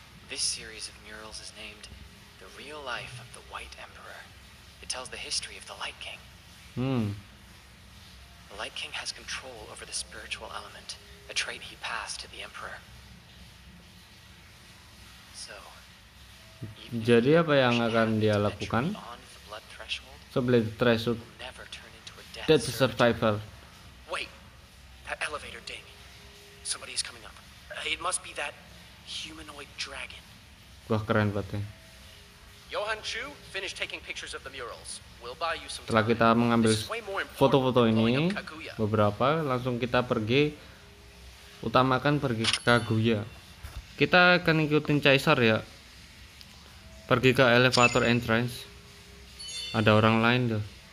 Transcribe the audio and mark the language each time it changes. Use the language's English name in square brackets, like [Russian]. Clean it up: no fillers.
[English] This series of murals is named The Real Life of the White Emperor. It tells the history of the Light King. The Light King has control over the spiritual element, a trait he passed to the Emperor. So, [Indonesian] jadi apa yang akan dia lakukan? [English] So, Blade Threshold, that's a survivor. Wait, that elevator ding. Somebody is coming up. It must be that humanoid dragon. [Indonesian] Wah, keren banget. Ya. [English] Johan Chu, finish taking pictures of the murals. We'll buy you some. [Indonesian] Setelah kita mengambil foto-foto ini beberapa, langsung kita pergi, utamakan pergi ke Kaguya. Kita akan ikutin Caesar ya. Pergi ke elevator entrance. Ada orang lain tuh.